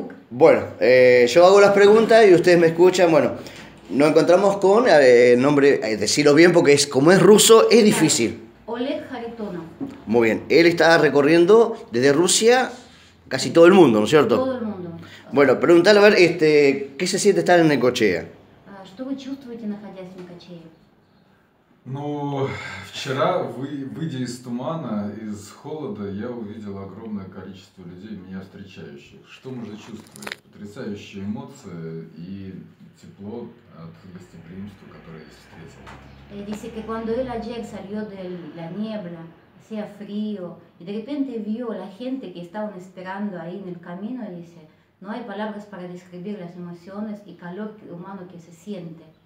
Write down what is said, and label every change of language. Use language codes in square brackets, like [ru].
[es] Bueno, yo hago las preguntas y ustedes me escuchan. Bueno, nos encontramos con el nombre, decirlo bien porque es como es ruso, es difícil. Oleg Haritonov. Muy bien, él está recorriendo desde Rusia casi todo el mundo, ¿no es cierto? Todo el mundo. Bueno, preguntarle a ver, ¿qué se siente estar en Necochea? [ru] Что вы чувствуете, находясь в Некочее? Ну, вчера, выйдя из тумана, из холода, я увидел огромное количество людей, меня встречающих. Что можно чувствовать? Потрясающие эмоции и тепло от гостеприимства, которое я встретил. [es] Dice que cuando él ayer salió de la niebla, hacía frío, y de repente vio la gente que estaban esperando ahí en el camino, dice, no hay palabras para describir las emociones y calor humano que se siente.